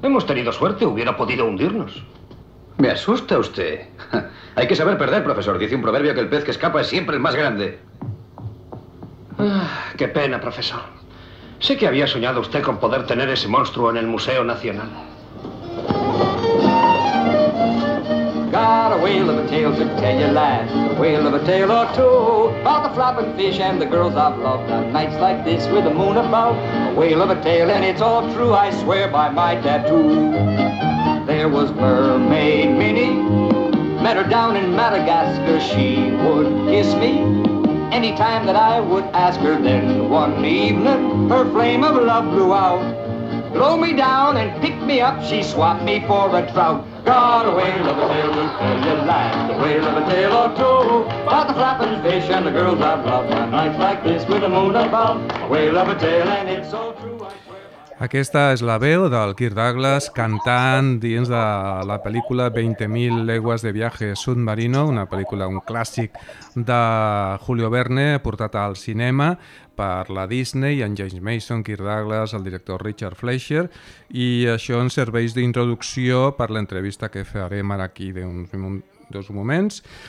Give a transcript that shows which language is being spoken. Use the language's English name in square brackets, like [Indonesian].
[Spanish] Hemos tenido suerte, hubiera podido hundirnos. Me asusta usted. Hay que saber perder, profesor. Dice un proverbio que el pez que escapa es siempre el más grande. Qué pena, profesor. Sé que había soñado usted con poder tener ese monstruo en el Museo Nacional. [English] Got a whale of a tale to tell you, lad. A whale of a tale or two. About the flapping fish and the girls I've loved. On nights like this with the moon above. A whale of a tale and it's all true. I swear by my tattoo. There was Mermaid Minnie. Met her down in Madagascar. She would kiss me any time that I would ask her. Then one evening her flame of love blew out. Blow me down and pick me up, she swapped me for a trout. Got a whale of a tale to tell you, lad. A whale of a tale or two. About the flapping fish and the girls I've loved. On nights like this with the moon above. A whale of a tale and it's so true. [Catalan] Aquesta és la veu del Kirk Douglas cantant dins de la pel·lícula 20.000 leguas de viaje submarino, una pel·lícula, un clàssic de Julio Verne, portat al cinema per la Disney, en James Mason, Kirk Douglas, el director Richard Fleischer, i això ens serveix d'introducció per l'entrevista que farem ara aquí d'uns moments,